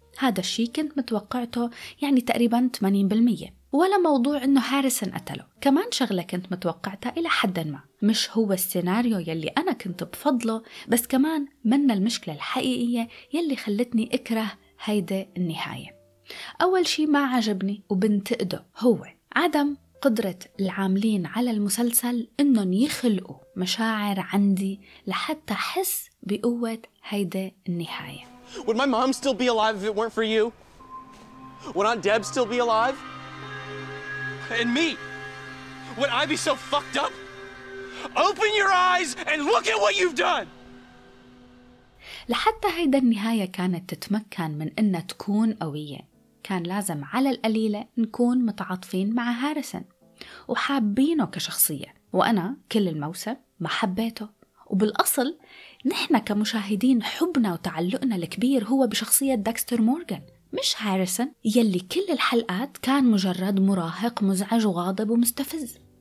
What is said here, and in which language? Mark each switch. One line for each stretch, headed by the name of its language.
Arabic: هذا الشيء كنت متوقعته يعني تقريبا 80%، ولا موضوع انه هاريسون قتله كمان شغله كنت متوقعتها الى حد ما، مش هو السيناريو يلي انا كنت بفضله، بس كمان من المشكله الحقيقيه يلي خلتني اكره هيدا النهايه. اول شيء ما عجبني وبنتقده هو عدم قدرة العاملين على المسلسل إنهم يخلقوا مشاعر عندي لحتى أحس بقوة هيدا النهاية.
English: Would my mom still be alive if it weren't for you? Would Aunt Deb still be alive? And me? Would I be so fucked up? Open your eyes and look at what you've done!
Arabic: لحتى هيدا النهاية كانت تتمكن من إنها تكون قوية، كان لازم على القليلة نكون متعاطفين مع هاريسون وحابينه كشخصية، وأنا كل الموسم ما حبيته، وبالأصل نحن كمشاهدين حبنا وتعلقنا الكبير هو بشخصية داكستر مورغان مش هاريسون يلي كل الحلقات كان مجرد مراهق مزعج وغاضب ومستفز.